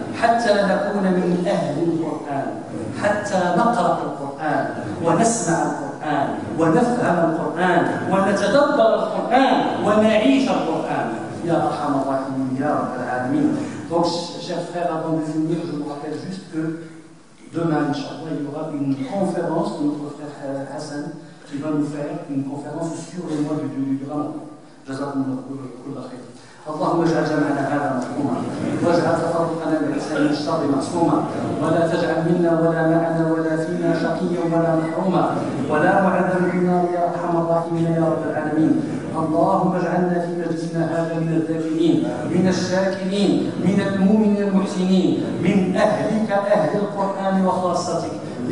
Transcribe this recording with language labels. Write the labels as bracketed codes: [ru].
[ar] حتى نكون من أهل القرآن، حتى نقرأ القرآن، ونسمع القرآن، ونفهم القرآن، ونتدبر القرآن، ونعيش القرآن. يا أرحم الراحمين يا رب العالمين. [fr] Donc, chers frères, avant de finir, je vous rappelle juste que demain, inchallah, il y aura une conférence de notre frère Hassan qui va nous faire une conférence sur le mois du Ramadan. [ar] جزاكم الله كل خير. اللهم اجعل جمعنا هذا مظلوما واجعل تفرقنا بالاحسان الشر مقسوما ولا تجعل منا ولا معنا ولا فينا شقيا ولا محروما ولا معذب بالنار يا ارحم الراحمين يا رب العالمين. اللهم اجعلنا في مجلسنا هذا من الذاكرين من الشاكرين من المؤمنين المحسنين من اهلك اهل القران وخاصتك يا